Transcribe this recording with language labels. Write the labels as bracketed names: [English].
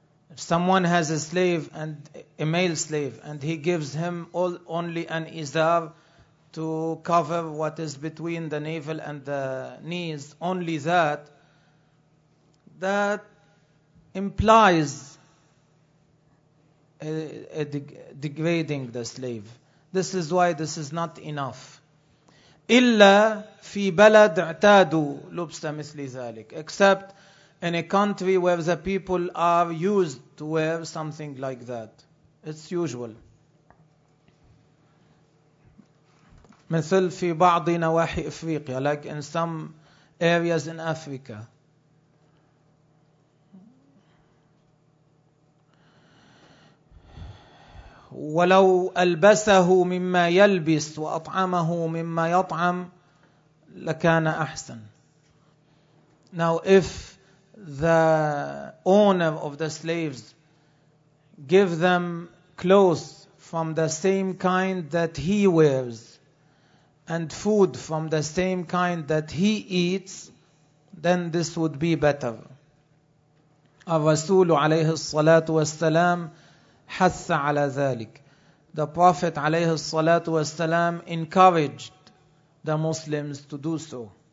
[English] If someone has a slave, and a male slave, and he gives him only an izar to cover what is between the navel and the knees, only that implies degrading the slave. This is why this is not enough. [Arabic] إِلَّا فِي بَلَدْ اَعْتَادُ لُبْسَ مِثْلِ ذَلِكَ. [English] Except in a country where the people are used to wear something like that. It's usual. [Arabic] مثل في بعض نواحي إفريقيا. [English] Like in some areas in Africa. [Arabic] ولو ألبسه مما يلبس وأطعمه مما يطعم لكان أحسن. [English] Now if the owner of the slaves give them clothes from the same kind that he wears and food from the same kind that he eats, then this would be better. [Arabic] الرسول عليه الصلاة والسلام حث على ذلك. [English] The Prophet [Arabic] عليه الصلاة والسلام [English] encouraged the Muslims to do so.